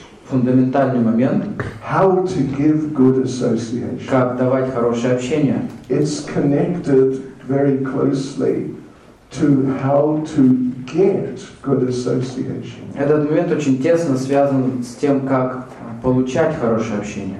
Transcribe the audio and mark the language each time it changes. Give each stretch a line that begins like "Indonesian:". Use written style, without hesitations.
Russian: фундаментальный момент.
English: How to give good association.
Russian: Как давать хорошее общение.
English: It's connected very closely to how to get good association.
Russian: Этот момент очень тесно связан с тем, как получать хорошее общение.